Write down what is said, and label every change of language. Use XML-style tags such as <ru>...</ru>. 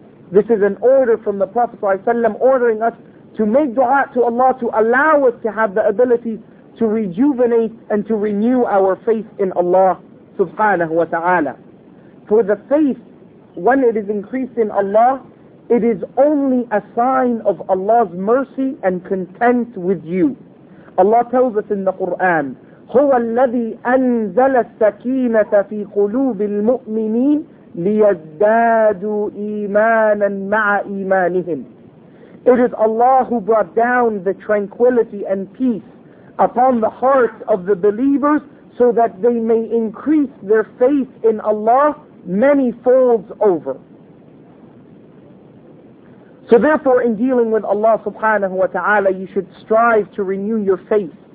<en>This is an order from the Prophet ﷺ ordering us to make dua to Allah to allow us to have the ability to rejuvenate and to renew our faith in Allah subhanahu wa ta'ala. For the faith, when it is increased in Allah, it is only a sign of Allah's mercy and content with you. Allah tells us in the Quran,</en> <ar>هُوَ الَّذِي أَنزَلَ السَّكِينَةَ فِي قُلُوبِ الْمُؤْمِنِينَ لِيَزْدَادُوا إِيمَانًا مَعَ إِيمَانِهِمْ.</ar> <en>It is Allah who brought down the tranquility and peace upon the hearts of the believers so that they may increase their faith in Allah many folds over. So therefore, in dealing with Allah subhanahu wa ta'ala, you should strive to renew your faith.</en>